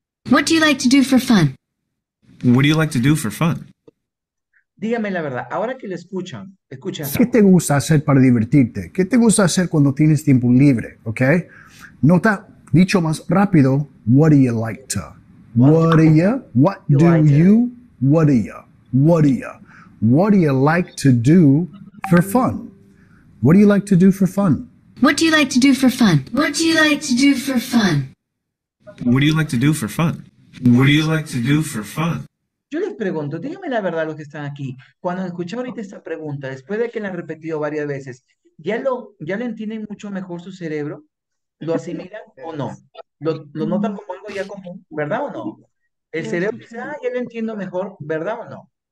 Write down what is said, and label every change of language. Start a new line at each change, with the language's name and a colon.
English: What do you like to do for fun?
Spanish: Dígame la verdad, ahora que lo escuchan, escucha. ¿Qué te gusta hacer para divertirte? ¿Qué te gusta hacer cuando tienes tiempo libre? ¿Ok? Nota, dicho más rápido,
English: What do you like to? What do you? What do you? What do you? What do you? What do you like to do for fun? What do you like to do for fun? What do you like to do for fun? What do you like to do for fun? What do you like to do for fun? What do you like to do for fun?
Spanish: Yo les pregunto, díganme la verdad los que están aquí. Cuando escuché ahorita esta pregunta, después de que la han repetido varias veces, ¿ya lo entienden mucho mejor su cerebro? ¿Lo asimilan o no? ¿Lo notan como algo ya común? ¿Verdad o no? El cerebro dice, ah, ya lo entiendo mejor, ¿verdad o no?